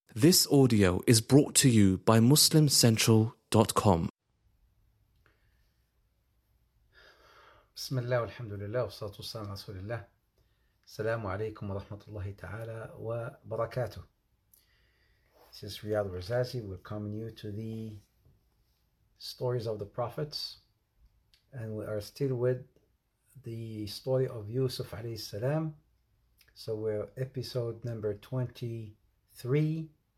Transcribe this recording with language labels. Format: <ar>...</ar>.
<en>This audio is brought to you by MuslimCentral.com.</en> <ar>بسم الله والحمد لله والصلاة والسلام على رسول الله. السلام عليكم ورحمة الله تعالى وبركاته.</ar> <en>This is Riyad Razazi welcoming you to the stories of the prophets. And we are still with the story of Yusuf عليه السلام. So we're episode number 23.</en>